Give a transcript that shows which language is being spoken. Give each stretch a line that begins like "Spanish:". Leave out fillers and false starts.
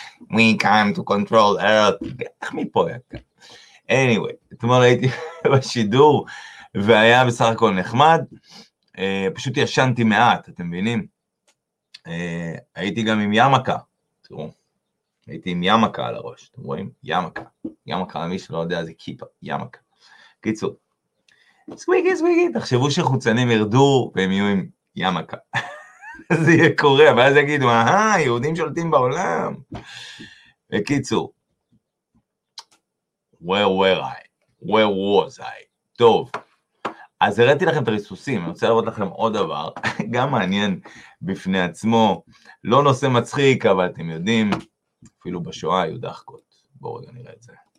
English: We came to control earth.
Hebrew: איך מפה היה כאן? Anyway, אתמול הייתי בשידור, והיה בסך הכל נחמד, פשוט ישנתי מעט, אתם מבינים? הייתי גם עם ימקה, תראו, הייתי עם ימקה על הראש, אתם רואים? ימקה, ימקה למי שלא יודע, זה כיפה, ימקה. קיצור, סוויגי סוויגי, תחשבו שחוצנים ירדו והם יהיו עם ימקה. זה יהיה קורה, ואז יגידו, אהה, יהודים שולטים בעולם. וקיצור,
English: where was I?
Hebrew: טוב. אז הראיתי לכם את הריסוסים, אני רוצה לראות לכם עוד דבר, גם מעניין בפני עצמו, לא נושא מצחיק, אבל אתם יודעים, אפילו בשואה היו דחקות, בואו רגע נראה את זה.